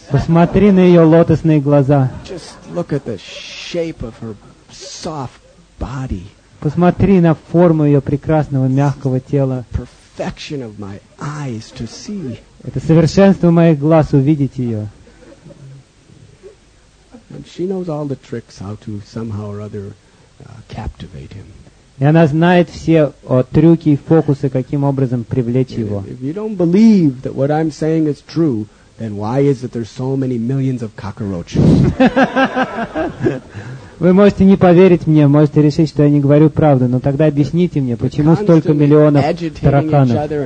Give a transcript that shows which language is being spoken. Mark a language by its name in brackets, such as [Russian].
[Russian] Посмотри на ее лотосные глаза. [English] Just look at the shape of her soft body. [Russian] Посмотри на форму ее прекрасного мягкого тела. [English] Perfection of my eyes to see. [Russian] Это совершенство моих глаз увидеть ее. [English] And she knows all the tricks how to somehow or other captivate him. [Russian] И она знает все трюки и фокусы, каким образом привлечь его. [English] If you don't believe that what I'm saying is true, then why is it there's so many millions of cockroaches? [Russian] Вы можете не поверить мне, можете решить, что я не говорю правду, но тогда объясните мне, почему столько миллионов тараканов?